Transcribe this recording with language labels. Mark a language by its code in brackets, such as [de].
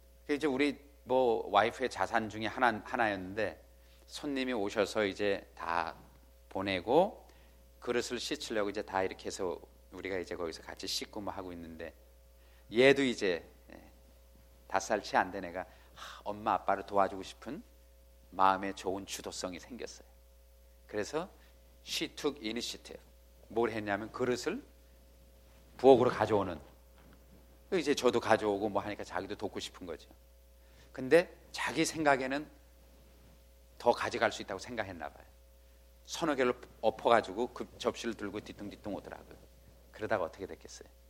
[ko] 이제 우리 뭐 와이프의 자산 중에 하나였는데 손님이 오셔서 이제 다 보내고 그릇을 씻으려고 이제 다 이렇게 해서 우리가 이제 거기서 같이 씻고 뭐 하고 있는데, 얘도 이제 다섯 살 채 안 된 애가 엄마 아빠를 도와주고 싶은 마음에 좋은 주도성이 생겼어요. 그래서 [en] she took initiative. [ko] 뭘 했냐면 그릇을 부엌으로 가져오는, 이제 저도 가져오고 뭐 하니까 자기도 돕고 싶은 거죠. 근데 자기 생각에는 더 가져갈 수 있다고 생각했나 봐요. 서너 개를 엎어가지고 그 접시를 들고 뒤뚱뒤뚱 오더라고요. 그러다가 어떻게 됐겠어요?